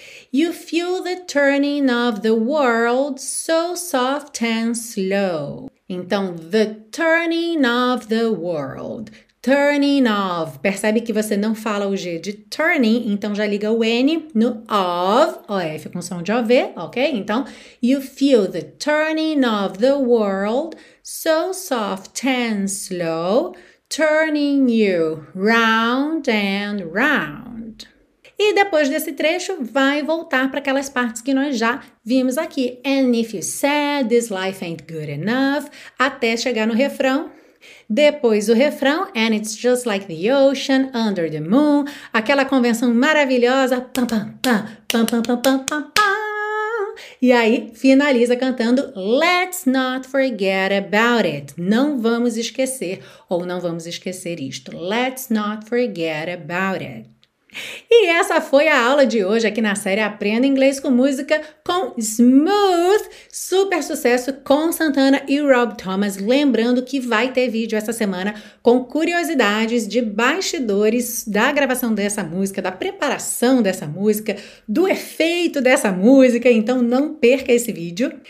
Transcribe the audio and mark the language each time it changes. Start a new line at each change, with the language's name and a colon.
English: You feel the turning of the world so soft and slow.
Portuguese: Então,
English: the turning of the world. Turning of.
Portuguese: Percebe que você não fala o G de turning, então já liga o N no of. OF com som de OV, ok?
English: Então, you feel the turning of the world so soft and slow, turning you round and round.
Portuguese: E depois desse trecho, vai voltar para aquelas partes que nós já vimos aqui.
English: And if you said this life ain't good enough,
Portuguese: até chegar no refrão. Depois o refrão,
English: and it's just like the ocean under the moon.
Portuguese: Aquela convenção maravilhosa. Pam, pam, pam, pam, pam, pam, pam, pam, pam. E aí, finaliza cantando,
English: let's not forget about it.
Portuguese: Não vamos esquecer, ou não vamos esquecer isto.
English: Let's not forget about it.
Portuguese: E essa foi a aula de hoje aqui na série Aprenda Inglês com Música com Smooth, super sucesso com Santana e Rob Thomas. Lembrando que vai ter vídeo essa semana com curiosidades de bastidores da gravação dessa música, da preparação dessa música, do efeito dessa música, então não perca esse vídeo.